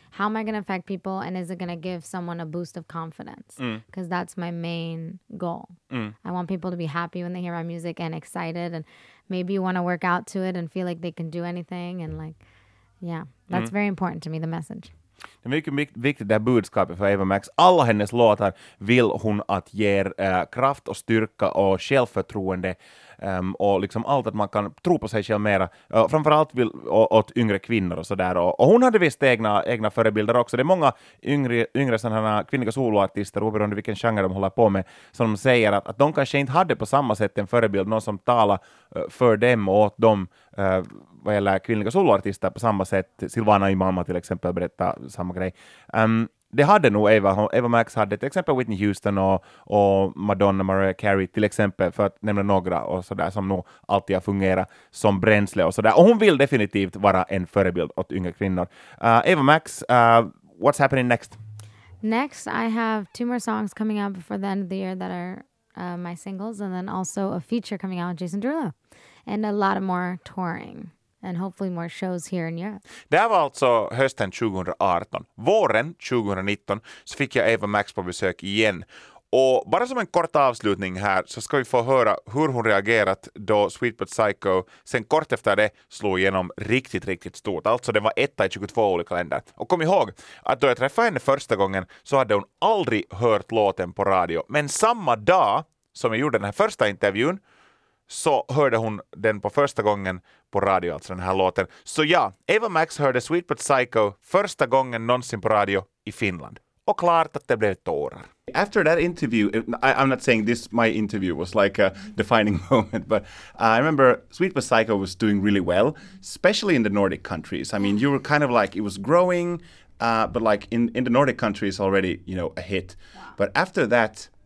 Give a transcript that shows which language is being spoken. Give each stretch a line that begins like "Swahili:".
English: How am I going to affect people? And is it going to give someone a boost of confidence? Because that's my main goal. Mm. I want people to be happy when they hear my music and excited. And maybe you want to work out to it and feel like they can do anything. And like, yeah, that's very important to me, the message.
Swedish: Det är mycket viktigt det här budskapet för Eva Max. Alla hennes låtar vill hon att ge kraft och styrka och självförtroende och liksom allt att man kan tro på sig själv mera. Framförallt åt yngre kvinnor och sådär. Och hon hade visst egna förebilder också. Det är många yngre sådana kvinnliga soloartister, oberoende vilken genre de håller på med, som säger att de kanske inte hade på samma sätt en förebild, någon som talar för dem och åt dem. Vad gäller kvinnliga soloartister på samma sätt, Silvana Imama till exempel berättar samma grej. Det hade nog Eva Max hade till exempel Whitney Houston och Madonna, Mariah Carey till exempel, för att nämna några och sådär, som nog alltid har fungerat som bränsle och sådär. Och hon vill definitivt vara en förebild åt unga kvinnor.
English: Eva Max, what's happening next? Next, I have two more songs coming out before the end of the year that are my singles, and then also a feature coming out with Jason Derulo. And a lot of more touring. And hopefully more shows here in Europe.
Swedish: Det här var alltså hösten 2018. Våren 2019 så fick jag Eva Max på besök igen. Och bara som en kort avslutning här så ska vi få höra hur hon reagerat då Sweet But Psycho sen kort efter det slog igenom riktigt, riktigt stort. Alltså den var etta i 22 olika länder. Och kom ihåg att då jag träffade henne första gången så hade hon aldrig hört låten på radio. Men samma dag som jag gjorde den här första intervjun så hörde hon den på första gången på radio, alltså den här låten. Så ja, Eva Max hörde Sweet But Psycho första gången någonsin på radio i Finland. Och klart att det blev tårar.
English: After that interview, I'm not saying this, my interview was like a defining moment, but I remember Sweet But Psycho was doing really well, especially in the Nordic countries. I mean, you were kind of like, it was growing, but like in the Nordic countries already, you know, a hit. But after that,